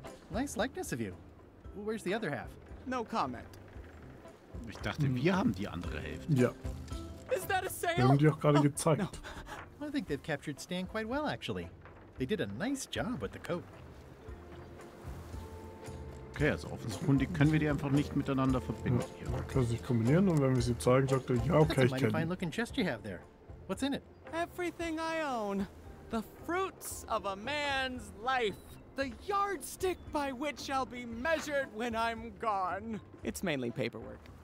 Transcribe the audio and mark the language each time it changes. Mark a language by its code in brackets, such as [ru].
[en] Nice likeness of you. Where's the other half? No comment. [de] Ich dachte, wir haben die andere Hälfte. Ja. [en] Is that a sail? [de] Wir haben die auch gerade gezeigt. [en] No. I think they've captured Stan quite well, actually. They did a nice job with the coat. [de] Okay, also offensichtlich können wir die einfach nicht miteinander verbinden. Ja, man kann sie nicht kombinieren und wenn wir sie zeigen, sagt er, ja, okay, ich kenne. [en] That's a mighty fine looking chest you have there. What's in it? Everything I own. The fruits of a man's life. The yardstick by which I'll be measured when I'm gone. It's mainly paperwork.